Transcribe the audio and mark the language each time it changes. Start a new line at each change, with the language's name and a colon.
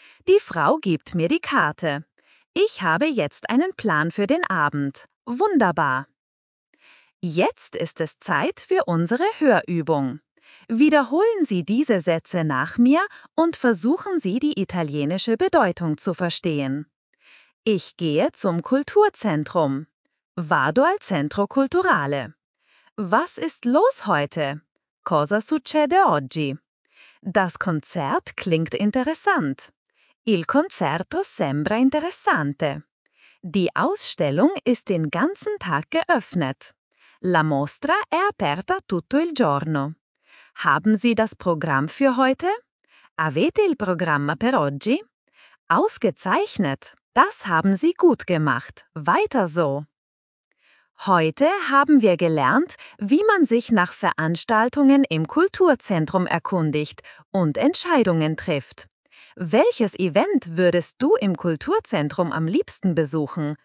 German: Die Frau gibt mir die Karte. Ich habe jetzt einen Plan für den Abend. Wunderbar. Jetzt ist es Zeit für unsere Hörübung. Wiederholen Sie diese Sätze nach mir und versuchen Sie, die italienische Bedeutung zu verstehen. Ich gehe zum Kulturzentrum.
Italian: Vado al centro culturale.
German: Was ist los heute?
Italian: Cosa succede oggi?
German: Das Konzert klingt interessant.
Italian: Il concerto sembra interessante.
German: Die Ausstellung ist den ganzen Tag geöffnet.
Italian: La mostra è aperta tutto il giorno.
German: Haben Sie das Programm für heute?
Italian: Avete il programma per oggi?
German: Ausgezeichnet! Das haben Sie gut gemacht. Weiter so! Heute haben wir gelernt, wie man sich nach Veranstaltungen im Kulturzentrum erkundigt und Entscheidungen trifft. Welches Event würdest du im Kulturzentrum am liebsten besuchen?